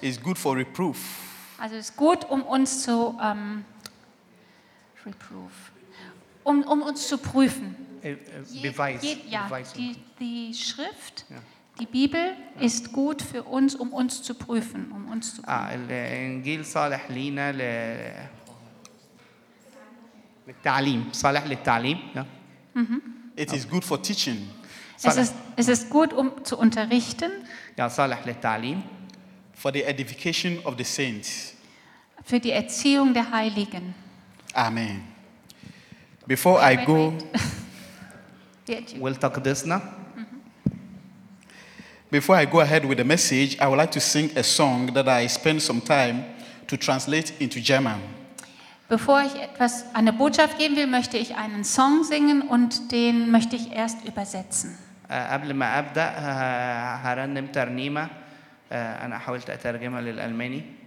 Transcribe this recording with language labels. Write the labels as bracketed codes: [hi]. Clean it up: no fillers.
[en] Is good for reproof. [de] Also ist gut, um uns zu reproof. Um uns zu prüfen. Die Schrift, yeah. Die Bibel yeah. Ist gut für uns, um uns zu prüfen, um uns zu [ar] الإنجيل صالح لينا للتعليم, صالح للتعليم. [en] It is good for teaching. [de] Es ist gut, um zu unterrichten. [ar] Ja, صالح للتعليم. [en] For the edification of the saints. [de] Für die Erziehung der Heiligen. [en] Amen. Before I go, we'll talk this now. Before I go ahead with the message, I would like to sing a song that I spent some time to translate into German. [de] Bevor ich etwas eine Botschaft geben will, möchte ich einen Song singen und den möchte ich erst übersetzen. [ar] قبل ما أبدأ هرنم ترنيمة أنا حاولت أترجمها للألماني.